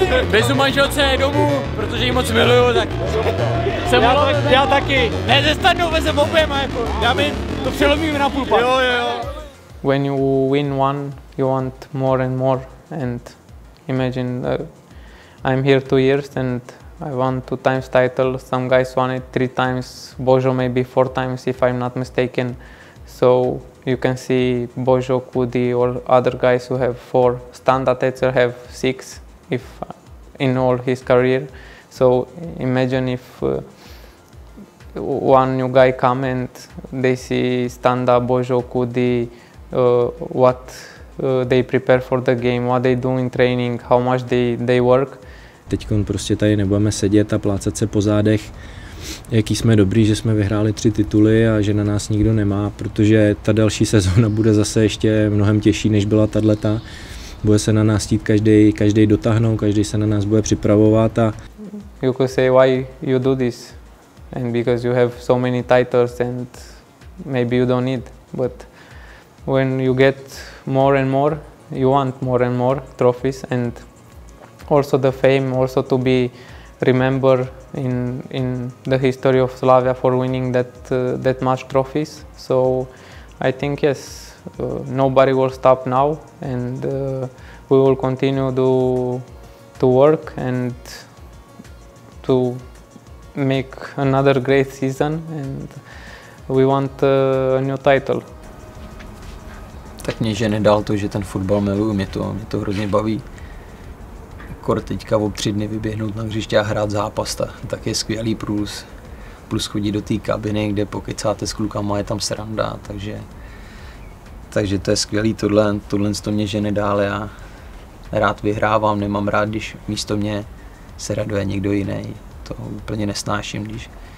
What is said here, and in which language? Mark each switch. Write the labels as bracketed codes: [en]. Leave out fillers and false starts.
[cs] Vezu manželce domů, protože jí moc miluju, tak jsem já taky. Ne, ze stanu vezem oběma, jako. Já mi to přelomím na půl pak. Jo, jo. [en] When you win one, you want more and more. And imagine, I'm here 2 years and I won 2 times title. Some guys won it 3 times, Božo maybe 4 times if I'm not mistaken. So you can see Božo, Kudi, all other guys who have 4. Standard Etzer have 6 if in all his career. So imagine if one new guy come and they see Standa, Božo, Kudi, what they prepare for the game, what they do in training, how much they work. [cs] Teď prostě tady nebudeme sedět a plácat se po zádech, jaký jsme dobrý, že jsme vyhráli 3 tituly a že na nás nikdo nemá, protože ta další sezóna bude zase ještě mnohem těžší, než byla tato. Bude se na nás chtít každý dotáhnout, každý se na nás bude připravovat a [en] you could say why you do this and because you have so many titles and maybe you don't need, but when you get more and more, you want more and more trophies and also the fame, also to be remembered in the history of Slavia for winning that much trophies. So I think yes, nobody will stop now and we will continue to work and to make another great season and we want a new title. [cs] Tak mě že nedal to, že ten fotbal miluju, mě to hrozně baví. Kor teďka o 3 dny vyběhnout na hřiště a hrát zápas, tak je skvělý plus chodit do té kabiny, kde pokecáte s klukama, je tam sranda, takže to je skvělý, tohle to mě žene dál, já rád vyhrávám, nemám rád, když místo mě se raduje někdo jiný, to úplně nesnáším, když